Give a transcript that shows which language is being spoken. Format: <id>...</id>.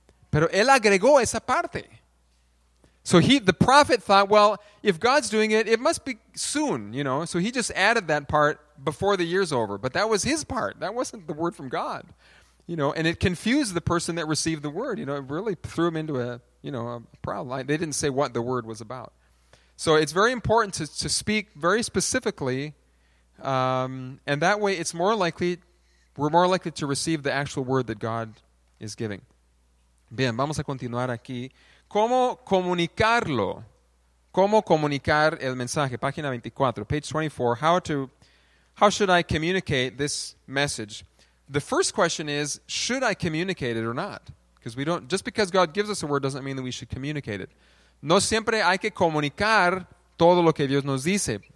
<es>Pero él agregó esa parte.</es> <en>So the prophet thought, well, if God's doing it, it must be soon, you know. So he just added that part before the year's over. But that was his part. That wasn't the word from God, you know. And it confused the person that received the word, you know. It really threw him into a, you know, a problem. They didn't say what the word was about. So it's very important to speak very specifically, and that way we're more likely to receive the actual word that God is giving.</en> <es>Bien, vamos a continuar aquí. ¿Cómo comunicarlo? ¿Cómo comunicar el mensaje? Página 24,</es> <en>page 24. How should I communicate this message? The first question is, should I communicate it or not? Because we don't, just because God gives us a word doesn't mean that we should communicate it.</en> <es>No siempre hay que comunicar todo lo que Dios nos dice.</es>